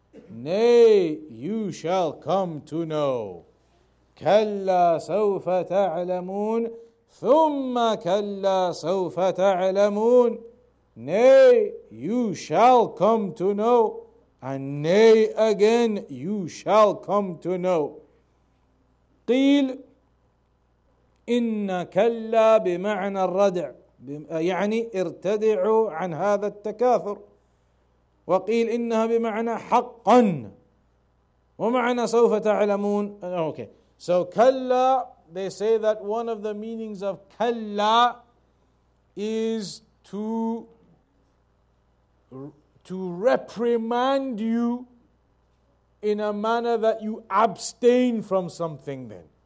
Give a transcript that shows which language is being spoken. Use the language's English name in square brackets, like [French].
[English] Nay, you shall come to know. [Arabic] كَلَّا سَوْفَ تَعْلَمُونَ. ثُمَّ كَلَّا سَوْفَ تَعْلَمُونَ. [English] Nay, you shall come to know. And nay, again, you shall come to know. [Arabic] قيل إِنَّ كَلَّا بِمَعْنَى الرَّدْعِ يعني ارتدعوا عن هذا التكاثر. وقيل إنها بمعنى حَقًّا ومعنى سَوْفَ تَعْلَمُونَ. [English] Okay, so كَلَّا, they say that one of the meanings of kalla is to reprimand you in a manner that you abstain from something then.